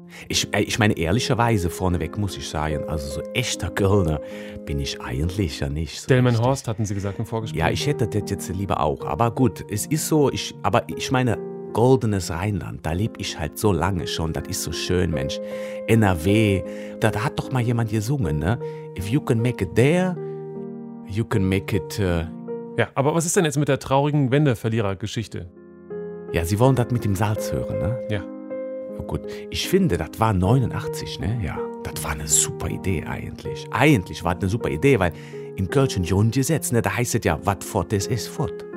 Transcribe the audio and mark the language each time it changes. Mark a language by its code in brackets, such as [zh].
[de] Ich meine, ehrlicherweise vorneweg muss ich sagen, also so echter Kölner bin ich eigentlich ja nicht. So Stellman Horst, hatten Sie gesagt im Vorgespräch. Ja, ich hätte das jetzt lieber auch. Aber gut, es ist so, ich meine, goldenes Rheinland, da lebe ich halt so lange schon, das ist so schön, Mensch. NRW, da hat doch mal jemand gesungen, ne? [en] If you can make it there, you can make it... [de] Ja, aber was ist denn jetzt mit der traurigen Wendeverlierer-Geschichte? Ja, Sie wollen das mit dem Salz hören, ne? Ja. Oh gut, ich finde, das war 89, ne? Ja, das war eine super Idee eigentlich. Eigentlich war das eine super Idee, weil im Kölschen Grundgesetz, ne, da heißt es ja, was fort ist fort.